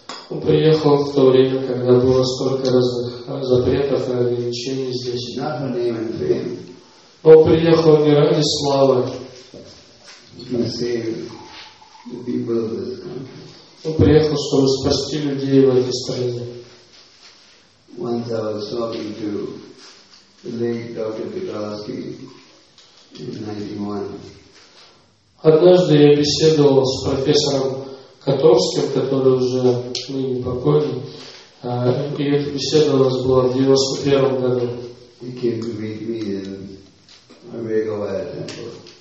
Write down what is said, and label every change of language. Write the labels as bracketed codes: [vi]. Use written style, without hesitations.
[ru] Он приехал в то время, когда было столько разных запретов и ограничений здесь. Он приехал не ради славы. Он приехал, чтобы спасти людей в этой стране. [en] Once I was talking to the late Dr. Pekarsky in 91. [ru] Однажды я беседовал с профессором Котовским, который уже ныне покойный, И эта беседа у нас была в 91 году. [en] He came to meet me in a regular temple.